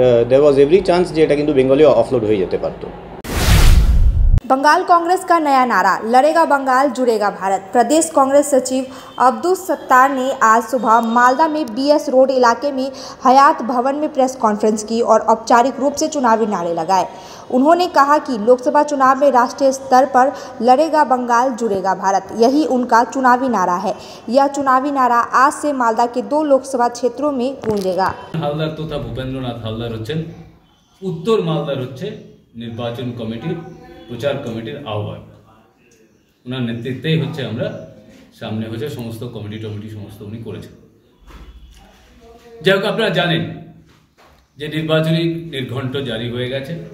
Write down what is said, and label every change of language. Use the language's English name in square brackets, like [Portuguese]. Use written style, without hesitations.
[English] there was every chance [Bangla] যে এটা কিন্তু বেঙ্গলিও অফলোড হয়ে যেতে পারত। [Hindi] बंगाल कांग्रेस का नया नारा, लड़ेगा बंगाल जुड़ेगा भारत। प्रदेश कांग्रेस सचिव अब्दुस सत्तार ने आज सुबह मालदा में बीएस रोड इलाके में हयात भवन में प्रेस कॉन्फ्रेंस की और औपचारिक रूप से चुनावी नारे लगाए। उन्होंने कहा कि लोकसभा चुनाव में राष्ट्रीय स्तर पर लड़ेगा बंगाल जुड़ेगा भारत, यही उनका चुनावी नारा है। यह चुनावी नारा आज से मालदा के 2 लोकसभा क्षेत्रों में गूंजेगा। उत्तर मालदा निर्वाचन कमेटी [Bangla] প্রচার কমিটির আহ্বায়ক, ওনার নেতৃত্বেই হচ্ছে আমরা সামনে হচ্ছে সমস্ত কমিটি টমিটি সমস্ত উনি করেছেন। যাই হোক, আপনারা জানেন যে নির্বাচনী নির্ঘণ্ট জারি হয়ে গেছে।